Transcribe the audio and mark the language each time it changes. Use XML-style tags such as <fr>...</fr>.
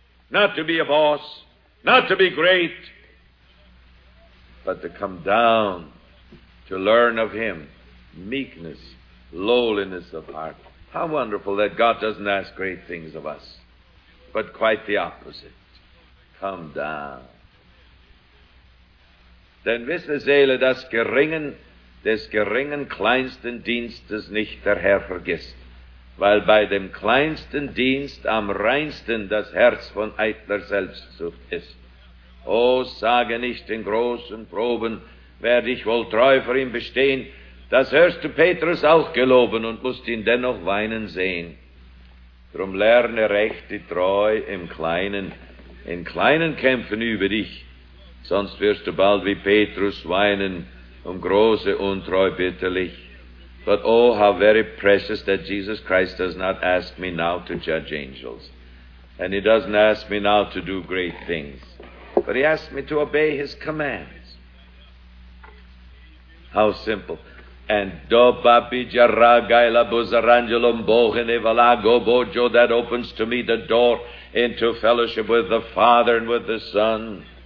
<en>Not to be a boss, not to be great, but to come down to learn of him, meekness, lowliness of heart. How wonderful that God doesn't ask great things of us, but quite the opposite. Come down.</en> <de>Denn wisse Seele, das Geringen, des geringen kleinsten Dienstes nicht der Herr vergisst, weil bei dem kleinsten Dienst am reinsten das Herz von eitler Selbstsucht ist. O, sage nicht in großen Proben, werde ich wohl treu vor ihm bestehen, das hörst du Petrus auch geloben und musst ihn dennoch weinen sehen. Drum lerne recht die Treu im Kleinen, in kleinen Kämpfen übe dich, sonst wirst du bald wie Petrus weinen, große Untreu bitterlich.</de> <en>But oh, how very precious that Jesus Christ does not ask me now to judge angels. And he doesn't ask me now to do great things. But he asks me to obey his commands. How simple. And do babi jaragaila buzarangelum bohene valago bojo, that opens to me the door into fellowship with the Father and with the Son.</en>